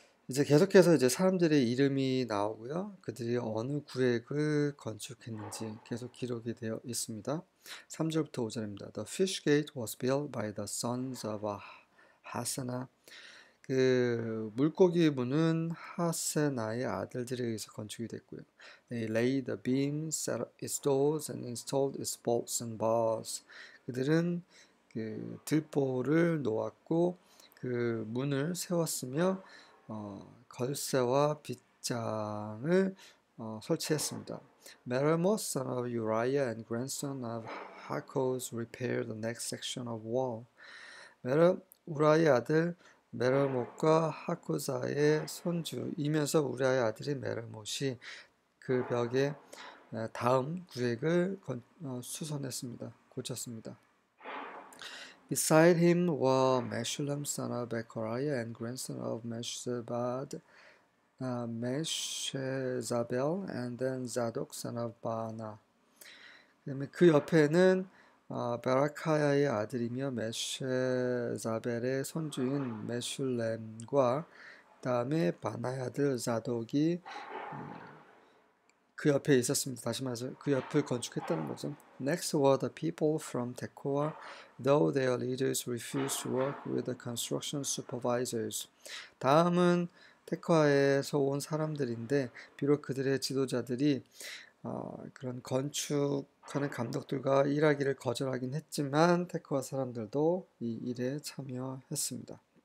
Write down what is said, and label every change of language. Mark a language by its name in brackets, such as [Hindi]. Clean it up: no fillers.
[Korean] 이제 계속해서 이제 사람들의 이름이 나오고요. 그들이 어느 구획을 건축했는지 계속 기록이 되어 있습니다. 3절부터 5절입니다. [English] The fish gate was built by the sons of Hasena. [Korean] 그 물고기 문은 하세나의 아들들에 의해서 건축이 됐고요. [English] They laid the beams, set up its doors, and installed its bolts and bars. [Korean] 그들은 그 들보를 놓았고 그 문을 세웠으며 걸쇠와 빗장을 설치했습니다. [English] Meremoth son of Uriah and grandson of Hakoz repaired the next section of wall. [Korean] 우라의 아들 메르못과 하코사의 손주이면서 우라의 아들이 메르못이 그 벽의 다음 구획을 수선했습니다. 고쳤습니다. [English] Beside him were Meshulam, son of Bechariah, and grandson of Meshezabel, and then Zadok, son of Baana. [Korean] 그 옆에는 베라카야의 아들이며 메쉐자벨의 손주인 메슐렘과 다음에 바나의 아들 자독이 그 옆에 있었습니다. 다시 말해서 그 옆을 건축했다는 거죠. [English] Next were the people from Tekoa, though their leaders refused to work with the construction supervisors. [Korean] 다음은 테코아에서 온 사람들인데, 비록 그들의 지도자들이 그런 건축하는 감독들과 일하기를 거절하긴 했지만, 테코아 사람들도 이 일에 참여했습니다.